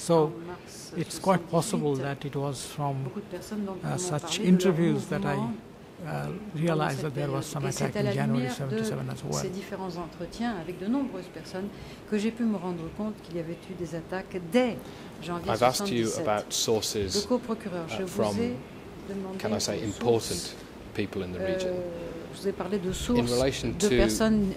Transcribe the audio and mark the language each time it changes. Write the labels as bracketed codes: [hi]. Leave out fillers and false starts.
[en] So it's quite possible that it was from such interviews that I realized that there was some attack in January 77 as well. [fr] Ces différents entretiens avec de nombreuses personnes que j'ai pu me rendre compte qu'il y avait eu des attaques dès janvier 77. [en] I've asked you about sources from, can I say, important people in the region. [fr] Vous avez parlé de sources, [en] in relation to [fr] de personnes